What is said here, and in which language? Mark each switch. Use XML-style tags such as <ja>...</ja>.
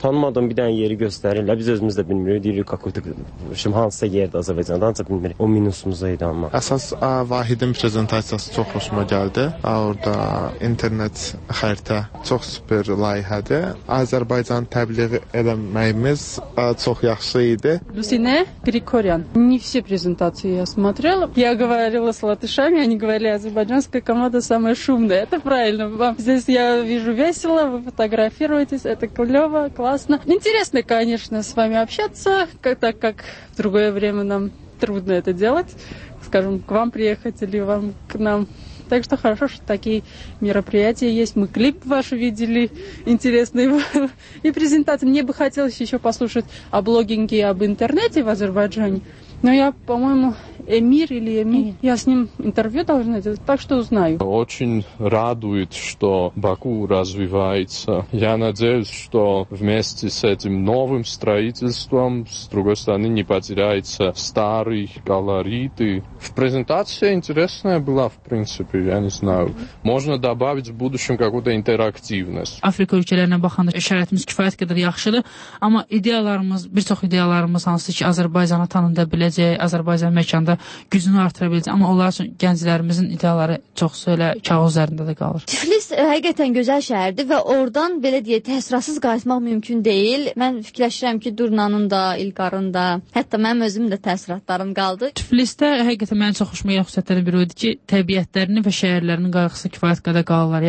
<az>Tanımadığım bir dənə yeri göstərirlər. Biz özümüz də bilmirik. Deyirik, kakutik, şimdi hansısa yerdə Azərbaycanda, ancaq bilmirik. O minusumuzdaydı amma. Əsas Vahidin prezentasiyası çox xoşuma gəldi. Orada internet xəritə çox süper layihədir. Azərbaycan təbliğ eləməyimiz çox yaxşı idi. Lusinə Qrikoryan.</az> <ru>Не все презентации я смотрела. Я говорила с латышами, они говорили, азербайджанская команда самая шумная. Это правильно. Вам здесь я вижу весело, вы фотографируетесь, это клёво, классно. Интересно, конечно, с вами общаться. Так как в другое время нам трудно это делать, скажем, к вам приехать или вам к нам. Так что хорошо, что такие мероприятия есть. Мы клип ваш видели, интересный был. И презентация. Мне бы хотелось еще послушать о блогинге и об интернете в Азербайджане. Но я, по-моему, Эмир или Эми, я с ним интервью должна делать, так что узнаю. Очень радует, что Баку развивается. Я надеюсь, что вместе с этим новым строительством, с другой стороны, не потеряется старый колорит. В презентации интересная была, в принципе, я не знаю. Можно добавить в будущем какую-то интерактивность.</ru> <az>Африка ülkelerine bakanda işaretimiz kifayet kadar yaxşıdır. Ama ideyalarımız, birçok ideyalarımız hansı ki Azerbaycan'a tanında biləcək, Azerbaycan mekanda gücünü artıra biləcək. Ama onlar için gənclərimizin ideyaları çox söylə kağız üzerinde de kalır. Tiflis həqiqətən gözəl şəhərdir və oradan belə deyə təsirasız qayıtmaq mümkün deyil. Mən fikirləşirəm ki, Durnanın da, İlqarın da, hətta mənim özüm də təsiratlarım qaldı. Tiflisdə həqiqətən mənim çox xoşuma gələn xüsusiyyətlərin biri idi ki, təbiətlərinin və şəhərlərinin qayğısı kifayət qədər qalırlar.</az>